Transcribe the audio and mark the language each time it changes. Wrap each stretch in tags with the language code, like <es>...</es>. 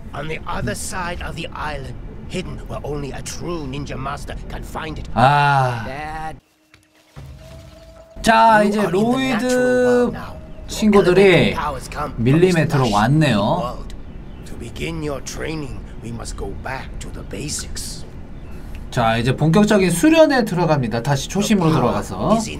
<en>On the other side of the island, hidden where only a true ninja master can find it. 아.</en> <ko>자, 이제 로이드 친구들이 밀리메트로 왔네요.</ko> <en>To begin your training, we must go back to the basics.</en> <ko>자, 이제 본격적인 수련에 들어갑니다. 다시 초심으로 돌아가서.</ko>